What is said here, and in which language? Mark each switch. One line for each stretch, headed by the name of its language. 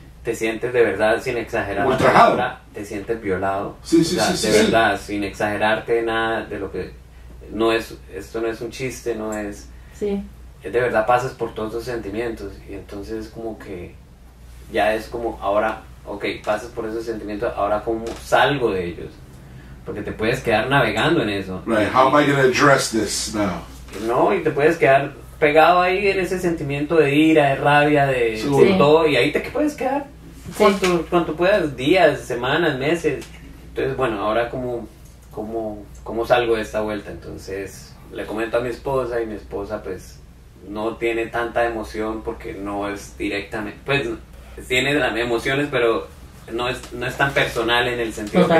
Spanish: Te sientes de verdad, sin exagerar, te sientes violado, sin exagerarte nada de lo que, esto no es un chiste, no es, sí. Es de verdad, pasas por todos esos sentimientos, y entonces es como que, ya es como, ahora, ok, pasas por esos sentimientos, ahora cómo salgo de ellos. Porque te puedes quedar navegando en eso.
English: Right, how am I going to address this now?
Spanish: No, y te puedes quedar pegado ahí en ese sentimiento de ira, de rabia, de todo. Y ahí te puedes quedar cuanto puedas, días, semanas, meses. Entonces, bueno, ahora como, cómo salgo de esta vuelta. Entonces le comento a mi esposa y mi esposa pues no tiene tanta emoción porque no es directamente, pues tiene emociones pero no es tan personal en el sentido total.